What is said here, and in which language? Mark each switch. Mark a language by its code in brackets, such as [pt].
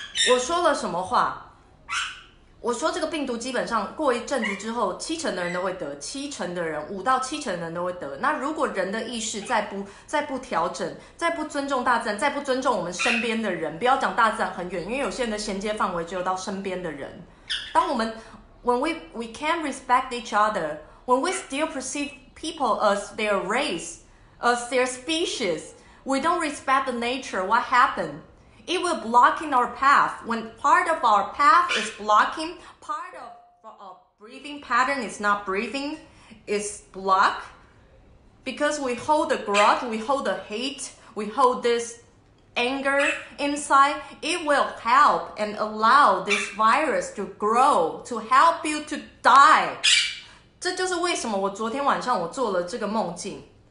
[zh] 我说了什么话？我说这个病毒基本上过一阵子之后，七成的人都会得，七成的人，五到七成的人都会得。那如果人的意识再不调整，再不尊重大自然，再不尊重我们身边的人，不要讲大自然很远，因为有些人的衔接范围只有到身边的人。当我们 [en] when we can respect each other, when we still perceive people as their race, as their species, we don't respect the nature. What happened? It will blocking our path. When part of our path is blocking, part of our breathing pattern is not breathing, is block. Because we hold the grudge, we hold the hate, we hold this anger inside, it will help and allow this virus to grow, to help you to die. [zh] 这就是为什么我昨天晚上我做了这个梦境。